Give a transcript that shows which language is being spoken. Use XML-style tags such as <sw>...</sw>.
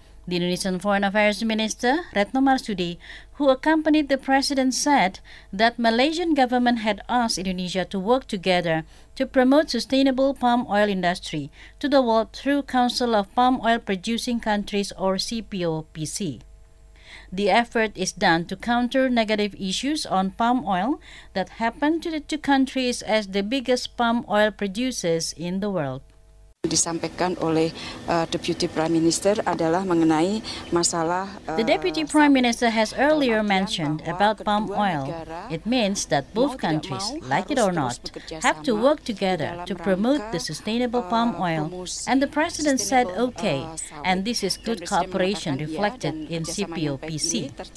<en>The Indonesian Foreign Affairs Minister, Retno Marsudi, who accompanied the President, said that Malaysian government had asked Indonesia to work together to promote sustainable palm oil industry to the world through Council of Palm Oil Producing Countries, or CPOPC. The effort is done to counter negative issues on palm oil that happen to the two countries as the biggest palm oil producers in the world.</en> <id>Disampaikan oleh Deputy Prime Minister adalah mengenai masalah.</id> <en>The Deputy Prime Minister has earlier mentioned about palm oil. It means that both countries, like it or not, have to work together to promote the sustainable palm oil. And the President said okay, and this is good cooperation reflected in CPOPC.</en>